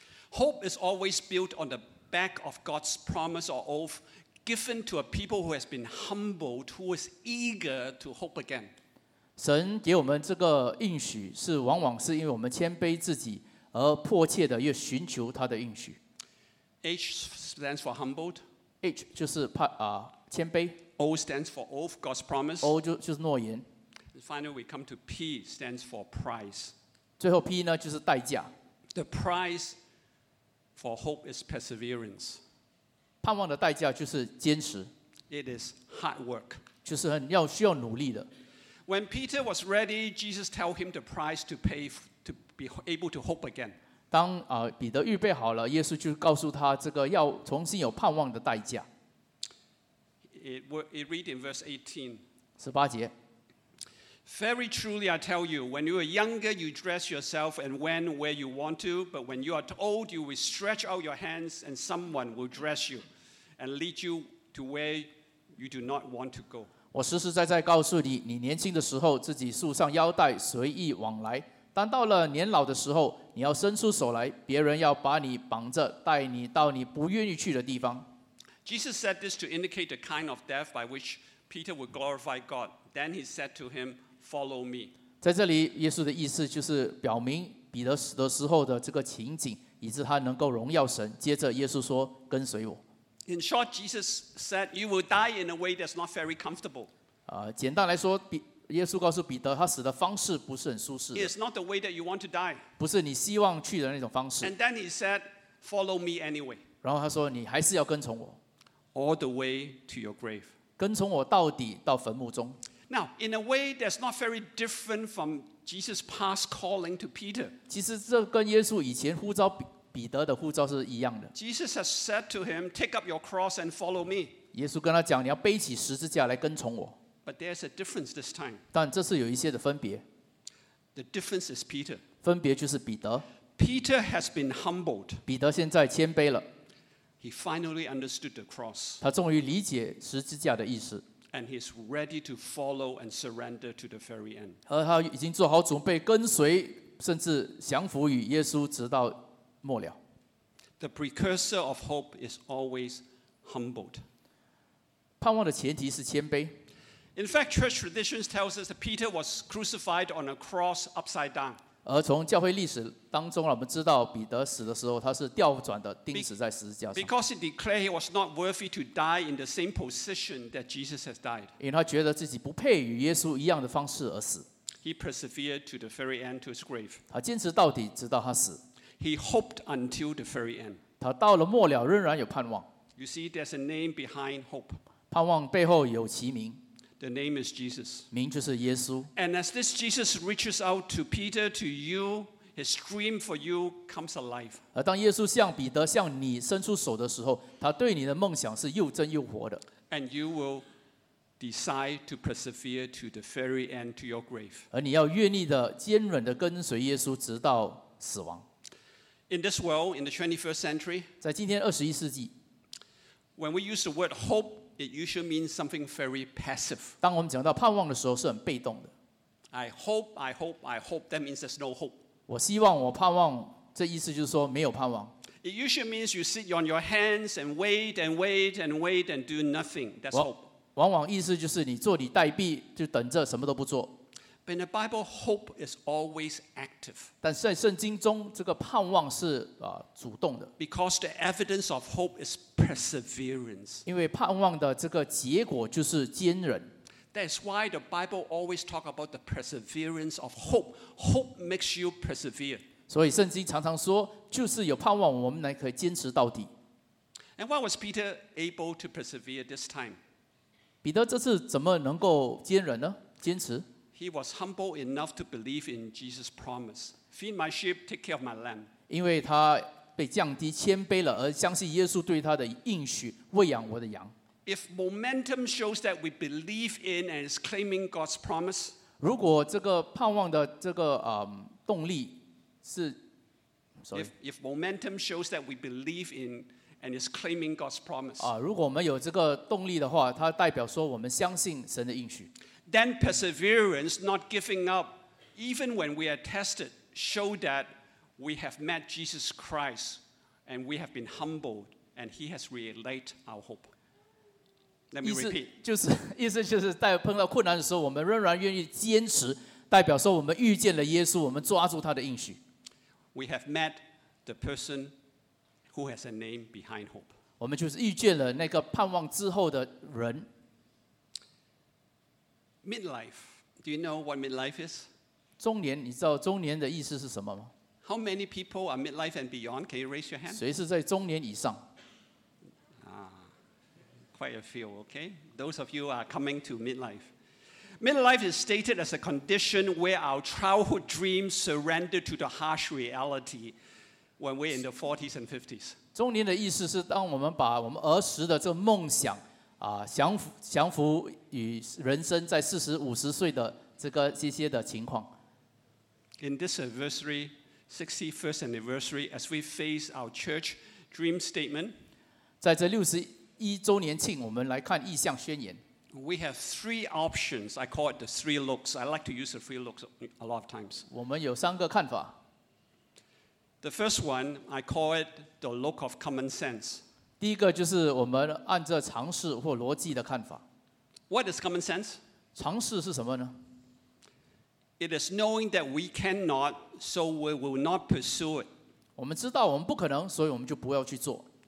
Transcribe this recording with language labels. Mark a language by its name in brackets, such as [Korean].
[English] Hope is always built on the back of God's promise or oath. Given to a people who has been humbled, who is eager to hope again. [Chinese] 神给我们这个应许是往往是因为我们谦卑自己而迫切的又寻求他的应许。 [English] H stands for humbled. [Chinese] H 就是谦卑。 [English] O stands for oath, God's promise. [Chinese] O 就是诺言。 [English] And finally, we come to P stands for price. [Chinese] 最后 P 呢就是代价。 [English] The price for hope is perseverance. [Chinese] 盼望的代价就是坚持。 [English] It is hard work. [Chinese] 就是很要需要努力的。 [English] When Peter was ready, Jesus told him the price to pay to be able to hope again. [Chinese] 当彼得预备好了，耶稣就告诉他这个要重新有盼望的代价。 [English] it read in verse 18. [Chinese] 18节. [English] Very truly I tell you, when you are younger, you dress yourself and went where you want to, but when you are old, you will stretch out your hands and someone will dress you and lead you to where you do not want to go. [Chinese] 我实实在在告诉你，你年轻的时候自己束上腰带随意往来，但到了年老的时候，你要伸出手来，别人要把你绑着带你到你不愿意去的地方。 [English] Jesus said this to indicate the kind of death by which Peter would glorify God. Then he said to him, follow me. [Chinese] 在这里耶稣的意思就是表明彼得死的时候的这个情景，以致他能够荣耀神，接着耶稣说跟随我。 [English] In short, Jesus said, you will die in a way that's not very comfortable. [Chinese] 简单来说，耶稣告诉彼得他死的方式不是很舒适的。 [English] It's not the way that you want to die. [Chinese] 不是你希望去的那种方式。 [English] And then he said, follow me anyway. [Chinese] 然后他说，你还是要跟从我。 [English] All the way to your grave. [Chinese] 跟从我到底，到坟墓中。 [English] Now, in a way that's not very different from Jesus' past calling to Peter. [Chinese] 其实这跟耶稣以前呼召彼得的呼召是一样的。 [English] Jesus has said to him, take up your cross and follow me. [Chinese] 耶稣跟他讲，你要背起十字架来跟从我。 [English] But there's a difference this time. [Chinese] 但这次有一些的分别。 [English] The difference is Peter. [Chinese] 分别就是彼得。 [English] Peter has been humbled. [Chinese] 彼得现在谦卑了。 [English] He finally understood the cross. [Chinese] 他终于理解十字架的意思。 [English] And he's ready to follow and surrender to the very end. [Chinese] 而他已经做好准备跟随，甚至降服于耶稣，直到末了。 [English] The precursor of hope is always humbled. [Chinese] 盼望的前提是谦卑。 [English] In fact, church traditions tells us that Peter was crucified on a cross upside down. [Chinese] 而从教会历史当中，我们知道彼得死的时候，他是调转的，钉死在十字架上。 [English] Because he declared he was not worthy to die in the same position that Jesus has died. [Chinese] 因为他觉得自己不配与耶稣一样的方式而死。 [English] He persevered to the very end to his grave. [Chinese] 他坚持到底，直到他死。 [English] He hoped until the very end. [Chinese] 他到了末了，仍然有盼望。 [English] You see, there's a name behind hope. [Chinese] 盼望背后有其名。 [English] The name is Jesus. [Chinese] 名就是耶稣。 [English] And as this Jesus reaches out to Peter, to you, his dream for you comes alive. [Chinese] 而当耶稣向彼得、向你伸出手的时候，他对你的梦想是又真又活的。 [English] And you will decide to persevere to the very end, to your grave. [Chinese] 而你要愿意的、坚忍的跟随耶稣，直到死亡。 [English] In this world, in the 21st century, [Chinese] 在今天二十一世纪 [English] when we use the word hope,It usually means something very passive. [Chinese] 当我们讲到盼望的时候，是很被动的。 [English] I hope, I hope, I hope. That means there's no hope. [Chinese] 我希望，我盼望，这意思就是说没有盼望。 [English] It usually means you sit on your hands and wait and wait and wait and do nothing. That's hope. [Chinese] 往往意思就是你坐以待毙，就等着什么都不做。 [English] But in the Bible, hope is always active. [Chinese] 但在圣经中，这个盼望是主动的。 [English] Because the evidence of hope is perseverance. [Chinese] 因为盼望的这个结果就是坚忍。 [English] That's why the Bible always talks about the perseverance of hope. Hope makes you persevere. [Chinese] 所以圣经常常说，就是有盼望，我们才可以坚持到底。 [English] And why was Peter able to persevere this time? [Chinese] 彼得这次怎么能够坚忍呢？坚持？ [English] He was humble enough to believe in Jesus' promise. Feed my sheep, take care of my lamb. [Chinese] 因为他被降低谦卑了，而相信耶稣对他的应许，喂养我的羊。 [English] If momentum shows that we believe in and is claiming God's promise, [Chinese] 如果这个盼望的这个动力是 [English] If momentum shows that we believe in and is claiming God's promise, [Chinese] 如果我们有这个动力的话，它代表说我们相信神的应许。 [English] Then perseverance, not giving up, even when we are tested, show that we have met Jesus Christ and we have been humbled and he has relayed our hope. Let me repeat. [Chinese] 意思就是在碰到困难的时候，我们仍然愿意坚持，代表说我们遇见了耶稣，我们抓住他的应许。 [English] We have met the person who has a name behind hope. [Chinese] 我们就是遇见了那个盼望之后的人。 [English] Midlife, do you know what midlife is? [Chinese] 中年，你知道中年的意思是什么吗？ [English] How many people are midlife and beyond? Can you raise your hand? [Chinese] 谁是在中年以上？ [English] Quite a few, okay? Those of you are coming to midlife. Midlife is stated as a condition where our childhood dreams surrender to the harsh reality when we're in the 40s and 50s. [Chinese] 中年的意思是当我们把我们儿时的这个梦想降服与人生在40、50岁的这个这些的情况。 [English] In this anniversary, 61st anniversary, as we face our church dream statement, [Chinese] 在这61周年庆，我们来看意向宣言。 [English] We have three options. I call it the three looks. I like to use the three looks a lot of times. [Chinese] 我们有三个看法。 [English] The first one, I call it the look of common sense. [Chinese] 第一个就是我们按照常识或逻辑的看法。 [English] What is common sense? [Chinese] 常识是什么呢？ [English] It is knowing that we cannot, so we will not pursue it. [Chinese] 我们知道我们不可能，所以我们就不要去做。